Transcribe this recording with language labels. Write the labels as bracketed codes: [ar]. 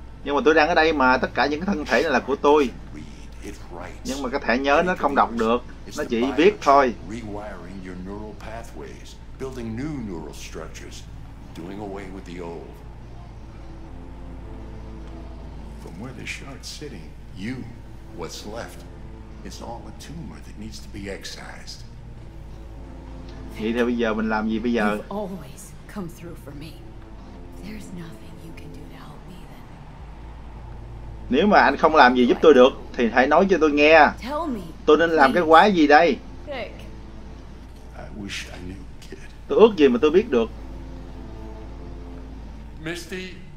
[vi] Nhưng mà tôi đang ở đây mà, tất cả những cái thân thể này là của tôi. Nhưng mà cái thẻ nhớ nó không đọc được, nó chỉ viết thôi. [en] Rewiring your neural pathways, building new neural structures, doing away with the old. From where the shard's sitting, you, what's left. It's all a tumor that needs to be excised. [vi] Vậy thì bây giờ mình làm gì bây giờ? [en] You've always come through for me. There's nothing you can do to help me then. [vi] Nếu mà anh không làm gì giúp tôi được, thì hãy nói cho tôi nghe. [en] Tell me. [vi] Tôi nên làm cái quái gì đây? [en] Pick. I wish I knew, kid. [vi] Tôi ước gì mà tôi biết được. Misty.